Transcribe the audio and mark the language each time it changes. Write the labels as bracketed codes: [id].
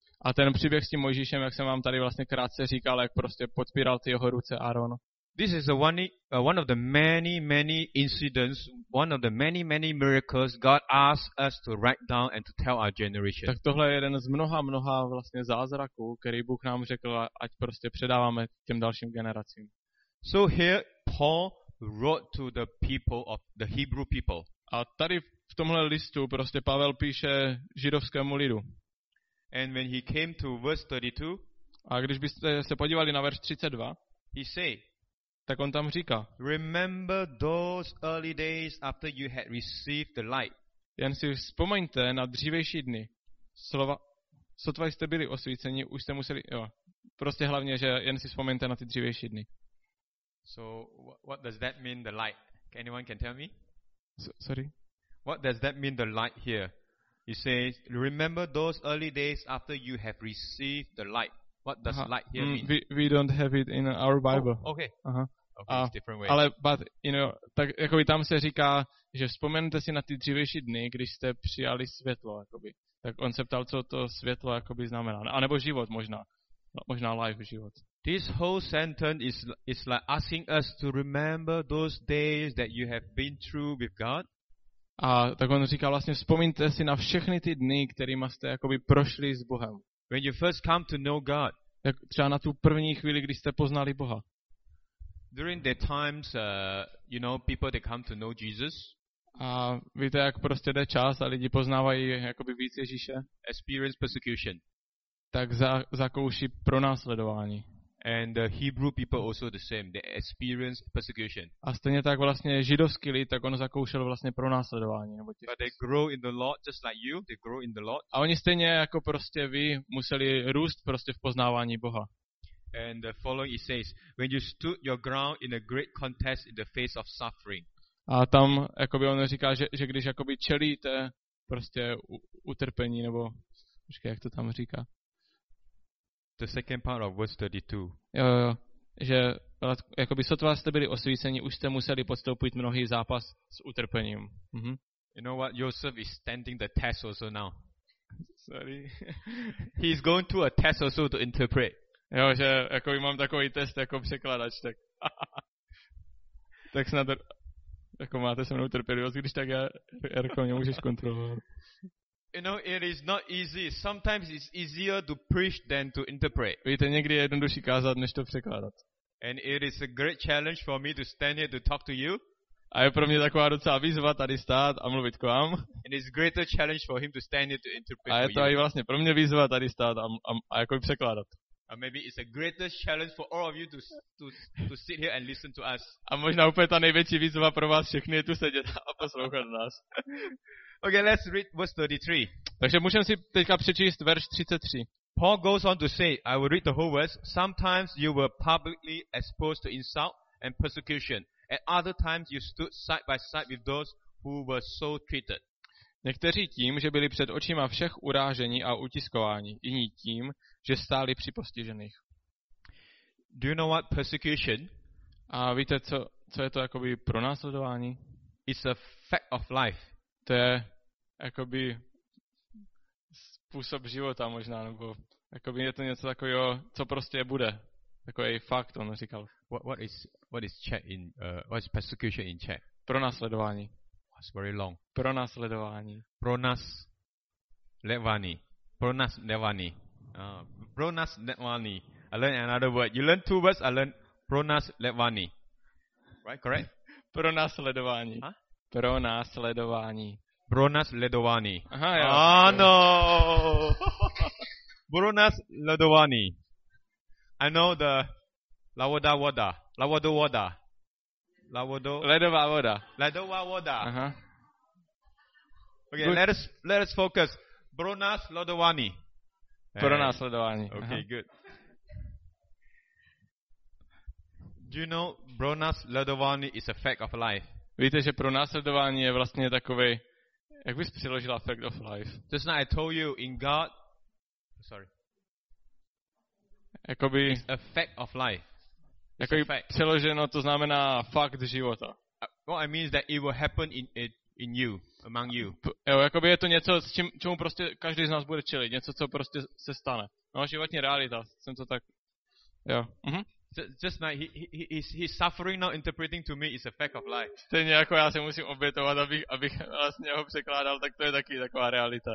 [cs] A ten příběh s tím Mojžíšem, jak jsem vám tady vlastně krátce říkal, jak prostě podpíral ty jeho ruce Aaron. [en] This is one of the many, many incidents, one of the many, many miracles God asked us to write down and to tell our generation. [cs] Tak tohle je jeden z mnoha, mnoha vlastně zázraků, který Bůh nám řekl, ať prostě předáváme těm dalším generacím. [en] So here Paul wrote to the people of the Hebrew people. [cs] A tady v tomhle listu prostě Pavel píše židovskému lidu. [en] And when he came to verse 32, [cs] a když byste se podívali na verš 32, [en] he say, [cs] tak on tam říká, [en] remember those early days after you had received the light. [cs] Jen si vzpomeňte na dřívejší dny. Slova, sotva jste byli osvíceni, už jste museli, jo. Prostě hlavně, že jen si vzpomeňte na ty dřívejší dny. [en] So what does that mean, the light? Anyone can tell me? Sorry? What does that mean, the light here? He says, remember those early days after you have received the light. What does light here mean? We don't have it in our Bible. Oh, okay. Okay, it's different way. [cs] Ale, [en] but, you know, [cs] tak jakoby tam se říká, že vzpomenete si na ty dřívejší dny, když jste přijali světlo, jakoby. Tak on se ptal, co to světlo, jakoby, znamená. A nebo život, možná. Možná life, život. [en] This whole sentence is like asking us to remember those days that you have been through with God. [cs] A tak on říká vlastně, vzpomeňte si na všechny ty dny, kterýma jste, jakoby, prošli s Bohem. [en] When you first come to know God. [cs] Jak třeba na tu první chvíli, kdy jste poznali Boha. [en] During the times, you know, people they come to know Jesus. [cs] A víte, jak prostě jde čas a lidi poznávají jakoby víc Ježíše. [en] Experience persecution. [cs] Tak zakouší pronásledování. [en] And the Hebrew people also the same. They experience persecution. [cs] A stejně tak vlastně židovský lid, tak on zakoušel vlastně pronásledování. [en] But they grow in the Lord, just like you. They grow in the Lord. [cs] A oni stejně jako prostě vy museli růst prostě v poznávání Boha. [en] And the following it says, when you stood your ground in a great contest in the face of suffering. [cs] A tam jakoby on říká, že když jakoby čelíte prostě utrpení nebo, počkej, jak to tam říká. [en] The second part of verse 32. [cs] Jo, že jakoby sotva jste byli osvíceni, už jste museli podstoupit mnohý zápas s utrpením. Mm-hmm. [en] You know what? Joseph is standing the test also now. Sorry. He's going to a test also to interpret. [cs] Jo, že jakoby mám takový test jako překladač, tak tak snad jako máte se mnou trpělivost, když tak já jako mě můžeš kontrolovat. [en] You know, it is not easy. Sometimes it's easier to preach than to interpret. [cs] Víte, někdy je jednodušší kázat, než to překládat. [en] And it is a great challenge for me to stand here to talk to you. [cs] A je pro mě taková docela výzva tady stát a mluvit k vám. [en] And it's a greater challenge for him to stand here to interpret. [cs] A je to i vlastně pro mě výzva tady stát a jako překládat. [en] And maybe it's a greater challenge for all of you to sit here and listen to us. [cs] A možná úplně ta největší výzva pro vás všechny je tu sedět a poslouchat nás. [en] Okay, let's read verse 33. [cs] Takže můžeme si teďka přečíst verš 33. [en] Paul goes on to say, I will read the whole verse. Sometimes you were publicly exposed to insult and persecution. At other times you stood side by side with those who were so treated. [cs] Někteří tím, že byli před očima všech urážení a utiskování, jiní tím, že stáli při postižených. [en] Do you know what persecution? [cs] A víte, co je to jakoby pronásledování? [en] It's a fact of life. [cs] To je jakoby způsob života možná, nebo jakoby je to něco takového, co prostě bude. Takový fakt, on říkal. [en] What is persecution in Czech? [cs] Pronásledování. [en] It's very long. [cs] Pronásledování. Pronásledování. Pronásledování. [en] Pronásledování. I learned another word. You learn two words, I learned pronásledování. Right, correct? [cs] Pronásledování. Huh? Pronásledování. Pronásledování. Aha, jo. Ano. [en] Pronásledování. I know the Lavoda Voda. [cs] Lavodou voda. Lavodou. Ledová voda. Ledová voda. Aha. [en] Okay, let us focus. [cs] Pro nás ledovaní. Pro nás ledovaní. [en] Okay, good. Do you know pro nás ledovaní is a fact of life? [cs] Víte, že pro následování je vlastně takovej, jak bys přiložila [en] fact of life? Just now I told you in God, sorry. [cs] Jakoby, [en] it's a fact of life. It's [cs] jakoby přeloženo, to znamená fakt života. [en] What I mean is that it will happen in you, among you. [cs] Jo, jakoby je to něco, s čím, čemu prostě každý z nás bude čelit, něco, co prostě se stane. No, životní realita, jsem to tak, jo. Mhm. [en] Just now, he's suffering now. Interpreting to me is a fact of life. [cs] Stejně jako já se musím obětovat, abych vlastně ho překládal, tak to je taky taková realita.